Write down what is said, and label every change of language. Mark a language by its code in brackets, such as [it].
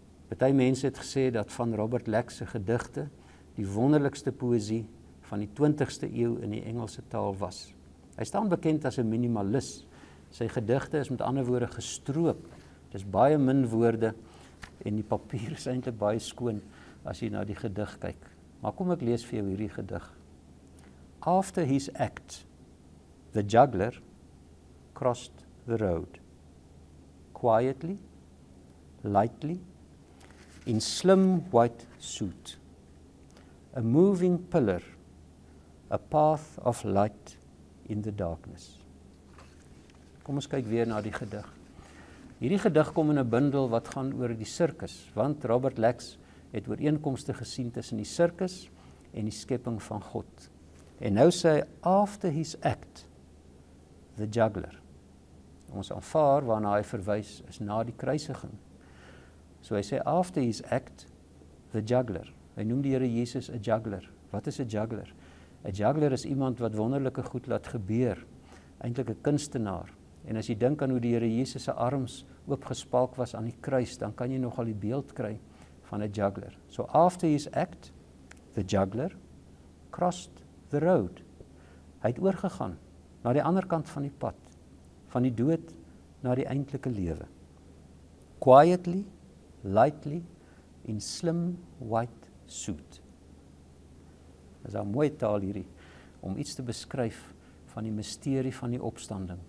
[af] Party mense het gesê dat van Robert Lack se gedigte die wonderlikste poësie van die 20ste eeu in die Engelse taal was. Hy staan bekend as 'n minimalis. Sy gedigte is met ander woorde gestroop. Dis baie min woorde en die papier is eintlik baie skoon as jy na die gedig kyk. Maar kom ek lees vir jou hierdie gedig. [en] After his act, the juggler crossed the road. Quietly, lightly, in slim white suit. A moving pillar, a path of light in the darkness. [af] Kom ons kyk weer na die gedig. Hierdie gedig kom in 'n bundel wat gaan oor die sirkus, want Robert Lack het ooreenkomste gesien tussen die sirkus en die skepping van God. En nou sê hy, [en] after his act, the juggler. [af] Ons aanvaar waarna hy verwys is na die kruisiging. So hy sê, [en] after his act, the juggler. [af] Hy noem die Here Jesus 'n juggler. Wat is 'n juggler? 'n juggler is iemand wat wonderlike goed laat gebeur, eintlik 'n kunstenaar. En as jy dink aan hoe die Here Jesus se arms oopgespalk was aan die kruis, dan kan jy nogal die beeld kry van 'n juggler. [en] So after his act, the juggler crossed the road. [af] Hy het oorgegaan na die ander kant van die pad, van die dood na die eintlike lewe. [en] Quietly, lightly, in slim white suit. [af] Dis 'n mooi taal hierdie om iets te beskryf van die misterie van die opstanding.